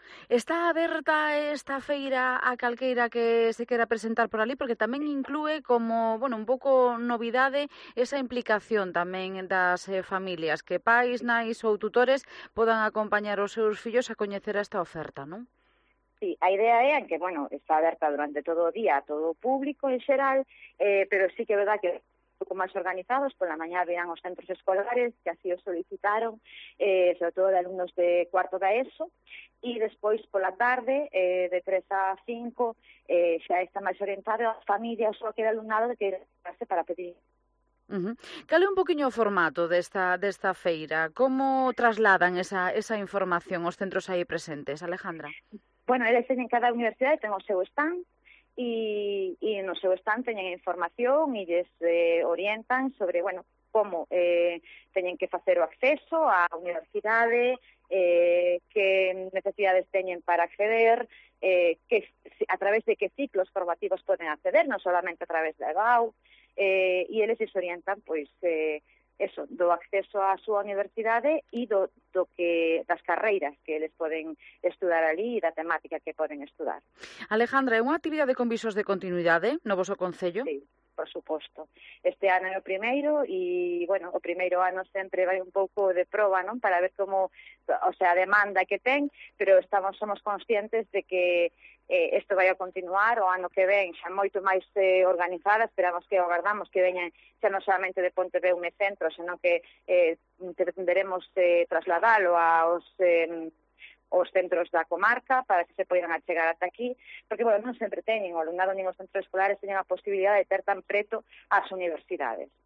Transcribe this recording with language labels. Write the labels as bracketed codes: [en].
[gl] Está aberta esta feira a calqueira que se queira presentar por ali, porque tamén inclúe como, bueno, un pouco novidade esa implicación tamén das familias, que pais, nais ou tutores podan acompañar os seus fillos a coñecer esta oferta, non? Sí, a idea é que, bueno, está aberta durante todo o día a todo o público en xeral, pero sí que é verdad que [es] poco más organizados. Por la mañana vienen los centros escolares, que así lo solicitaron, sobre todo de alumnos de cuarto de ESO. Y después, por la tarde, de 3 a 5, ya está más orientado a familias o a aquel alumnado que quiere quedarse para pedir. [gl] Cale un poquinho o formato desta feira. Como trasladan esa información os centros aí presentes, Alejandra? Bueno, eles teñen cada universidade, ten o seu stand, e no seu stand teñen información e les orientan sobre, bueno, como teñen que facer o acceso á universidade, que necesidades teñen para acceder, que a través de que ciclos formativos poden acceder, non solamente a través da EBAU, e eles se orientan, pois, eso, do acceso á súa universidade e das carreiras que eles poden estudar ali e da temática que poden estudar. Alejandra, é unha actividade con visos de continuidade no voso concello? Sí, por suposto. Este ano é o primeiro e, bueno, o primeiro ano sempre vai un pouco de prova, non? Para ver como, o sea, a demanda que ten, pero somos conscientes de que isto vai a continuar o ano que ven, xa moito máis organizada, esperamos que agardamos que veñan xa non solamente de Pontevedra centro, senón que pretenderemos trasladalo aos os centros da comarca para que se poidan achegar ata aquí, porque, bueno, non sempre teñen o alumnado nin os centros escolares teñen a posibilidad de ter tan preto as universidades.